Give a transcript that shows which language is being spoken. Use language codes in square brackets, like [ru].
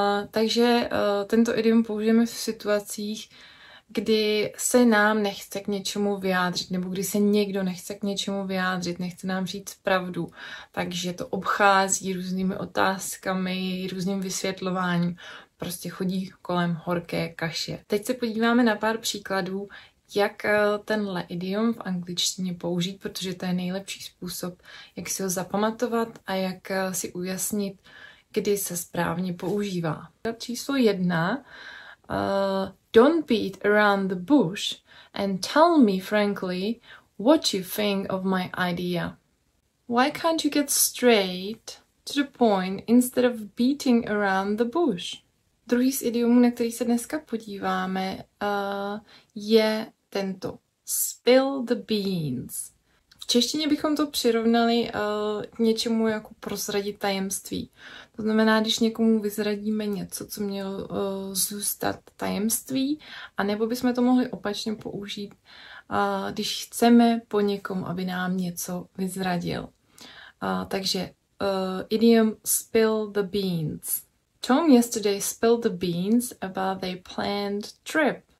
[cs] Takže tento idiom použijeme v situacích, kdy se nám nechce k něčemu vyjádřit, nebo kdy se někdo nechce k něčemu vyjádřit, nechce nám říct pravdu, takže to obchází různými otázkami, různým vysvětlováním, prostě chodí kolem horké kaše. Teď se podíváme na pár příkladů, jak tenhle idiom v angličtině použít, protože to je nejlepší způsob, jak si ho zapamatovat a jak si ujasnit, kdy se správně používá. Číslo jedna. [en] Don't beat around the bush and tell me frankly what you think of my idea. Why can't you get straight to the point instead of beating around the bush? [cs] Druhý z idiomů, na který se dneska podíváme, je tento. [en] Spill the beans. [cs] V češtině bychom to přirovnali k něčemu jako prozradit tajemství. To znamená, když někomu vyzradíme něco, co mělo zůstat tajemství, anebo bychom to mohli opačně použít, když chceme po někom, aby nám něco vyzradil. Takže idiom spill the beans. [en] Tom yesterday spilled the beans about their planned trip.